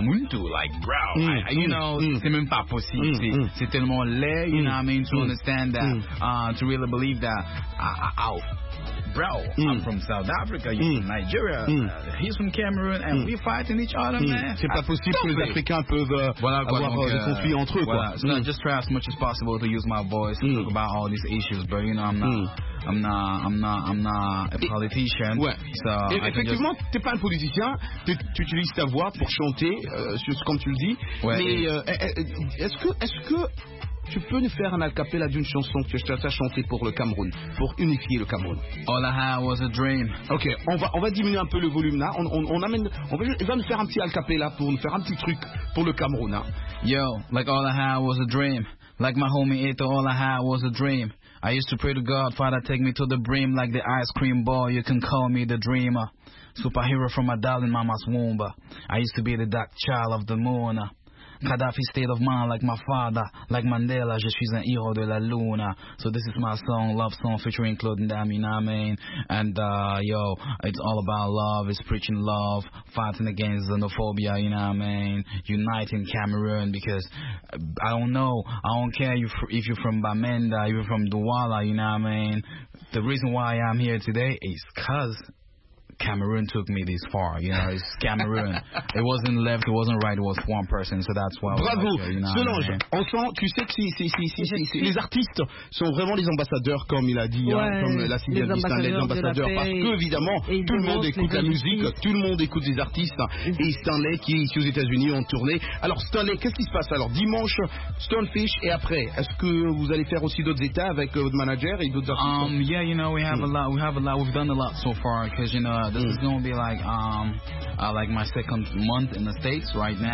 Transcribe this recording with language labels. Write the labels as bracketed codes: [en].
[en] Muntu like bro, [fr] c'est même pas possible, c'est tellement laid, [en] you know what I mean, to understand that, to really believe that I'm from South Africa, you're from Nigeria, he's from Cameroon, and we're fighting each other, man. [fr] C'est pas possible que les Africains peuvent avoir des conflits entre eux, voilà, quoi. [en] Not just try as much as possible to use my voice to talk about all these issues, but you know, I'm not a politician. [fr] Ouais. So effectivement, t'es pas un politicien. Tu utilises ta voix pour chanter, comme tu le dis. Ouais, mais est-ce que tu peux nous faire un acapella d'une chanson que tu as chantée pour le Cameroun, pour unifier le Cameroun? [en] All I had was a dream. [fr] Ok, on va diminuer un peu le volume là. On va nous faire un petit acapella pour nous faire un petit truc pour le Cameroun. Hein. [en] Yo, like all I had was a dream. Like my homie Ito, all I had was a dream. I used to pray to God, Father, take me to the brim like the ice cream ball. You can call me the dreamer. Superhero from my darling mama's womb. I used to be the dark child of the moon. Gaddafi state of mind like my father. Like Mandela, [fr] je suis un héros de la luna. [en] So this is my song, love song, featuring Claude Ndami, you know what I mean? And, yo, it's all about love. It's preaching love, fighting against xenophobia, you know what I mean? Uniting Cameroon, because I don't know. I don't care if you're from Bamenda, if you're from Douala, you know what I mean? The reason why I'm here today is because Cameroon took me this far, you know, it's Cameroon. It wasn't left, it wasn't right, it was one person, so that's why. [fr] Bravo, Solange. On sent, tu sais que si, les artistes sont vraiment les ambassadeurs, comme il a dit, ouais, hein, comme la signe de Disney, les ambassadeurs, parce que, évidemment, tout le monde écoute la musique, tout le monde écoute les artistes, et Stanley qui est ici aux États-Unis en tournée. Alors, Stanley, qu'est-ce qui se passe? Alors, dimanche, Stonefish, et après, est-ce que vous allez faire aussi d'autres états avec votre manager et d'autres artistes? [en] Yeah, you know, we have a lot, we've done a lot so far, because, you know, this is gonna be like my second month in the States right now.